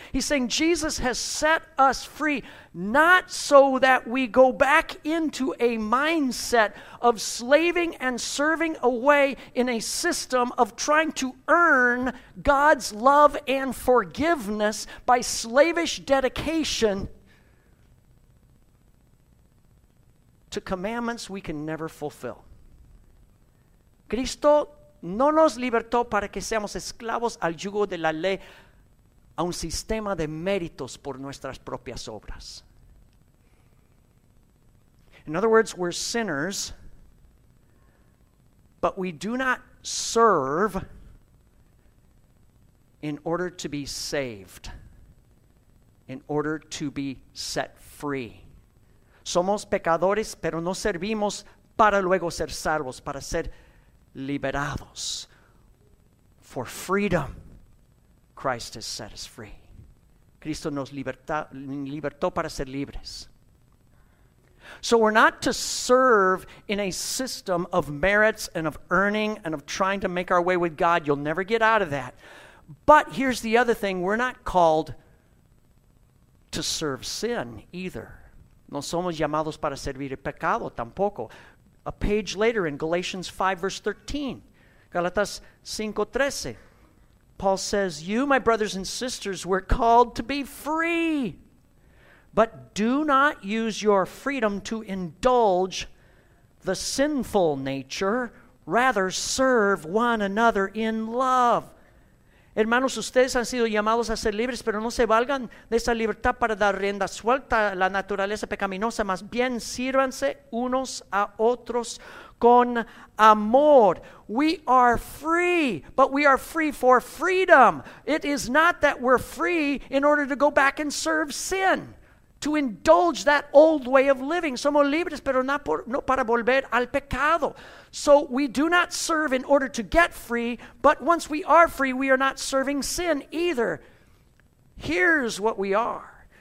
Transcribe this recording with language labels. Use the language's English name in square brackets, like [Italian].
[English] He's saying Jesus has set us free, not so that we go back into a mindset of slaving and serving away in a system of trying to earn God's love and forgiveness by slavish dedication to commandments we can never fulfill. [Spanish] Cristo no nos libertó para que seamos esclavos al yugo de la ley, a un sistema de méritos por nuestras propias obras. [English] In other words, we're sinners, but we do not serve in order to be saved, in order to be set free. [Spanish] Somos pecadores, pero no servimos para luego ser salvos, para ser liberados. [English] For freedom, Christ has set us free. [Spanish] Cristo nos libertó para ser libres. [English] So we're not to serve in a system of merits and of earning and of trying to make our way with God. You'll never get out of that. But here's the other thing. We're not called to serve sin either. [Spanish] No somos llamados para servir el pecado tampoco. [English] A page later in Galatians 5, verse 13, [Spanish] Galatas 5:13, [English] Paul says, you, my brothers and sisters, were called to be free, but do not use your freedom to indulge the sinful nature, rather serve one another in love. [Spanish] Hermanos, ustedes han sido llamados a ser libres, pero no se valgan de esa libertad para dar rienda suelta a la naturaleza pecaminosa. Más bien, sírvanse unos a otros con amor. [English] We are free, but we are free for freedom. It is not that we're free in order to go back and serve sin, to indulge that old way of living. [Spanish] Somos libres, pero no para volver al pecado. [English] So we do not serve in order to get free, but once we are free, we are not serving sin either. Here's what we are.